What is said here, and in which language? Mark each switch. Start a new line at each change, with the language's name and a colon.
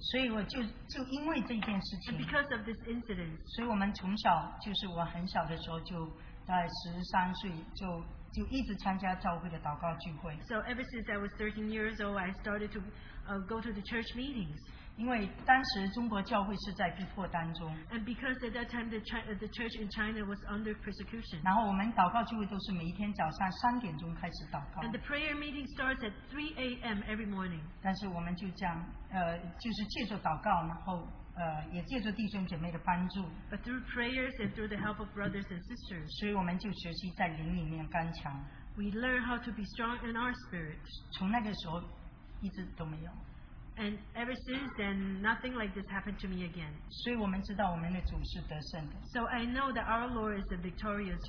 Chinese: 所以我就因为这件事情。
English: And because of this incident.
Chinese: 所以我们从小就是我很小的时候就在十三岁就。
English: So ever since I was 13 years old, I started to go to the church meetings.
Chinese: 因为当时中国教会是在逼迫当中。
English: And because at that time the church in China was under persecution.
Chinese: 然后我们祷告聚会都是每一天早上3点钟开始祷告。
English: And the prayer meeting starts at 3 a.m. every morning.
Chinese: 但是我们就这样，就是借着祷告，然后。也借助弟兄姐妹的帮助,
English: but through prayers and through the help of brothers and sisters,
Chinese: 所以我们就学习在灵里面刚强,
English: we learn how to be strong in our spirit.
Chinese: 从那个时候一直都没有,
English: and ever since then, nothing like this happened to me again.
Chinese: 所以我们知道我们的主是得胜的,
English: so I know that our Lord is the victorious one.